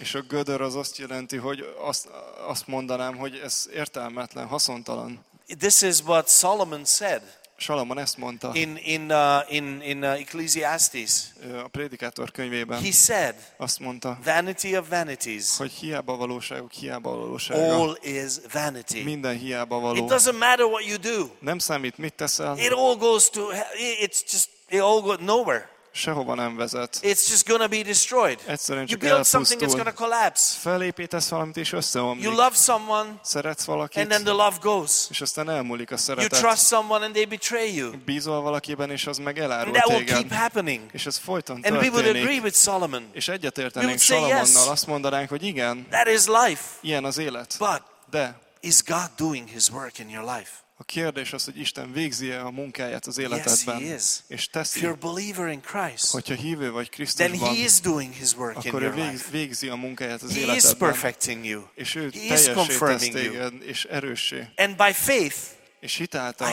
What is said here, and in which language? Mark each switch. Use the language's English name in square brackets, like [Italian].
[Hungarian] És a gödör az azt jelenti, hogy azt mondanám, hogy ez értelmetlen, haszontalan. [English] This is what Solomon said. [Hungarian] Solomon ezt mondta. [English] In Ecclesiastes. [Hungarian] A Prédikátor könyvében. [English] He said. [Hungarian] Azt mondta. [English] Vanity of vanities. [Hungarian] Hogy hiába valóságok, hiába valóság. [English] All is vanity. [Hungarian] Minden hiába való. [English] It doesn't matter what you do. [Hungarian] Nem számít, mit teszel. [English] It all goes to it's just it all goes nowhere. [Hungarian] Sehova nem vezet. [English] It's just going to be destroyed. [Hungarian] Egyszerűen csak elpusztul. [English] You build something, it's going to collapse. [Hungarian] Felépítesz valamit és összeomlik. [English] You love someone. [Hungarian] Szeretsz valakit. [English] And then the love goes. [Hungarian] És aztán elmúlik a szeretet. [English] You trust someone and they betray you. [Hungarian] Bízol valakiben és az meg elárul téged. [English] And that will keep happening. [Hungarian] És ez folyton történik. [English] And we would agree with Solomon. [Hungarian] És egyetértenénk Salamonnal, azt mondanánk, hogy igen. [English] That is life. [Hungarian] Ilyen az élet. [English] But [Hungarian] de [English] is God doing his work in your life? [Hungarian] A kérdés az, hogy Isten végzi-e a munkáját az életedben, [English] yes, [Hungarian] és teszi. [English] If you're a believer in Christ, [Hungarian] hogyha hívő vagy Krisztusban, [English] then he is doing his work in [Hungarian] akkor ő végzi a munkáját az [English] he [Hungarian] életedben. [English] Is perfecting you. [Hungarian] És ő [English] he [Hungarian] teljessé tesz téged, és erőssé. [English] And by faith, [Hungarian] és hitáltal,